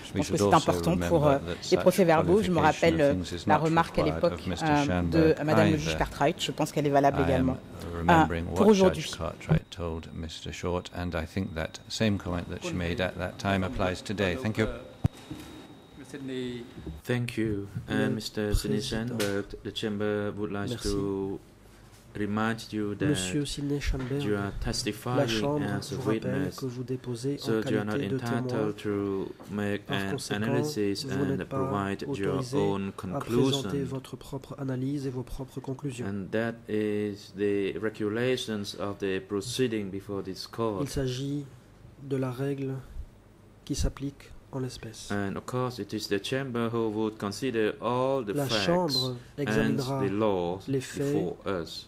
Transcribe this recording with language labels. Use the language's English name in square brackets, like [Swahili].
[French] Je pense que c'est important pour les procès-verbaux. Je me rappelle la remarque à l'époque de Madame le juge Cartwright. Je pense qu'elle est valable également pour aujourd'hui. Je pense que la même commentaire qu'elle a fait à ce moment-là s'applique aujourd'hui. Merci. [English] Thank you. And Mr. Sidney Schoenberg, the Chamber would like to remind you that [French] Monsieur Sidney Schoenberg, [English] you are testifying as a witness, [French] que vous déposez [English] so you are not entitled to make an analysis and provide your own conclusion. [French] À présenter votre propre analyse et vos propres conclusions. [English] And that is the regulations of the proceeding before this court. [French] Il s'agit de la règle qui s'applique. [English] And of course, it is the chamber who would consider all the [French] la [English] facts and the laws [French] les faits [English] before us.